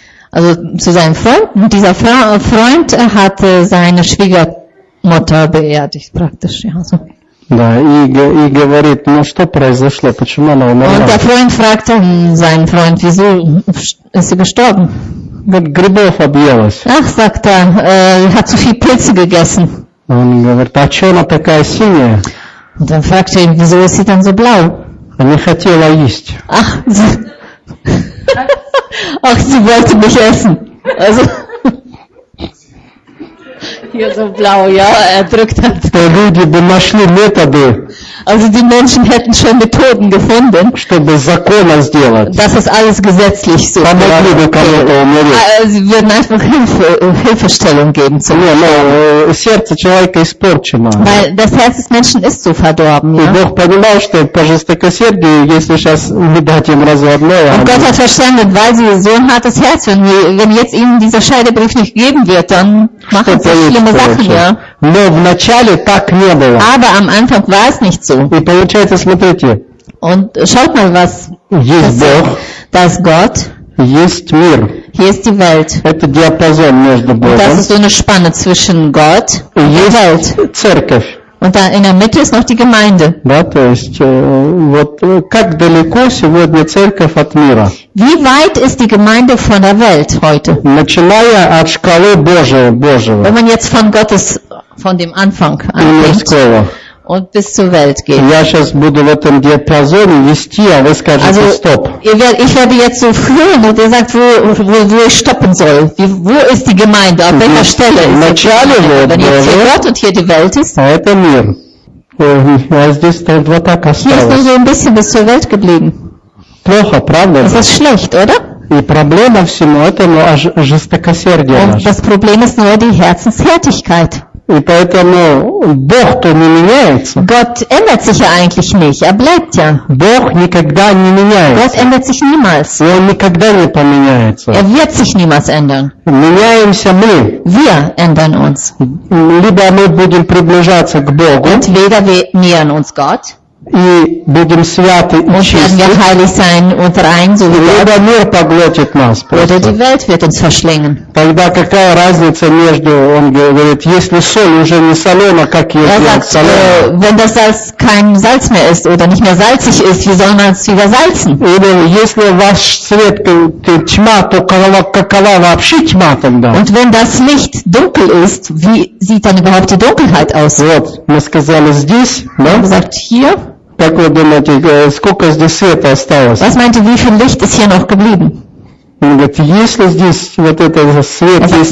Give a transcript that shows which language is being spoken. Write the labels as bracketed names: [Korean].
[German] Also zu seinem Freund. Und dieser Freund hat seine Schwiegermutter beerdigt, praktisch. Ja, so. Und der Freund fragte seinen Freund, wieso ist sie gestorben? Ach, sagt er, hat zu viel Pilze gegessen. [Russian] Он говорит, а что она такая синяя? [German] Und dann fragt er ihn, wieso ist sie denn so blau? [Russian] Она хотела есть. [German] Ach, sie wollte mich essen. Also, hier so blau, ja, er drückt halt. Die [Russian] люди бы нашли методы. [German] Also die Menschen hätten schon Methoden gefunden, [Russian] чтобы законно сделать. [German] Das ist alles gesetzlich so. [Russian] Помогли бы кому-то умереть. [German] Sie würden einfach Hilfestellung geben. [Russian] Сердце человека испорчено. [German] Weil das Herz des Menschen ist so verdorben. [Russian] И Бог понимал, что по жестокосердию, если сейчас убивать им разве одно. [German] Und Gott hat verstanden, weil sie so ein hartes Herz, wenn jetzt ihnen dieser Scheidebrief nicht gegeben wird, dann machen sie schlimme Sachen, ja. [Russian] Но вначале так не было. [German] Aber am Anfang war es nicht so. [Russian] И получается, смотрите. [German] Und schaut mal, was [Russian] есть Бог, [German] dass Gott, [Russian] есть мир. [German] Hier ist die Welt. [Russian] Это диапазон между Богом. [German] Und das ist so eine Spanne zwischen Gott und der Welt. [Russian] Церковь. [German] Und da in der Mitte ist noch die Gemeinde. [Russian] Да, то есть, вот, как далеко сегодня церковь от мира? [German] Wie weit ist die Gemeinde von der Welt heute? [Russian] Начиная от шкалы Божьего. [German] Wenn man jetzt von Gottes, von dem Anfang anfängt und bis zur Welt geht. [Russian] Я сейчас буду в этом диапазоне вести, а вы скажете стоп. [German] Ich werde jetzt so führen und ihr sagt, wo ich stoppen soll. Wo ist die Gemeinde? Auf welcher Stelle ist die Gemeinde? Wenn jetzt hier Gott und hier die Welt ist. [Russian] А это мир. А здесь вот так осталось. [German] Hier ist nur so ein bisschen bis zur Welt geblieben. [Russian] Плохо, правда? [German] Das ist schlecht, oder? [Russian] И проблема всему этому жестокосердие. [German] Und das Problem ist nur die Herzenshärtigkeit. [Russian] И поэтому Бог-то не меняется. [German] Gott ändert sich ja eigentlich nicht, er bleibt ja. [Russian] Бог никогда не меняется. [German] Gott ändert sich niemals. [Russian] И он никогда не поменяется. [German] Er wird sich niemals ändern. [Russian] Меняемся мы. [German] Wir ändern uns. [Russian] Либо мы будем приближаться к Богу. [German] Entweder wir nähern uns Gott. [Russian] И будем святы [German] und [Russian] и чисты. [German] Werden wir heilig sein und rein, so wie [Russian] Gott. Либо мир поглотит нас. Просто. [German] Oder die Welt wird uns verschlingen. [Russian] Тогда какая разница между, он говорит, если соль уже не солена, как ее делать? [German] Wenn das Salz kein Salz mehr ist oder nicht mehr salzig ist, wie soll man es wieder salzen? [Russian] Или если ваш цвет тьма, то какова вообще тьма тогда? [German] Und wenn das Licht dunkel ist, wie sieht dann überhaupt die Dunkelheit aus? [Russian] Вот, мы сказали здесь, да? [German] Sagt hier. [Russian] Как вы думаете, сколько здесь света осталось? [German] Was meinte, wie viel Licht ist hier noch geblieben? [Russian] Он говорит, если здесь вот это свет есть,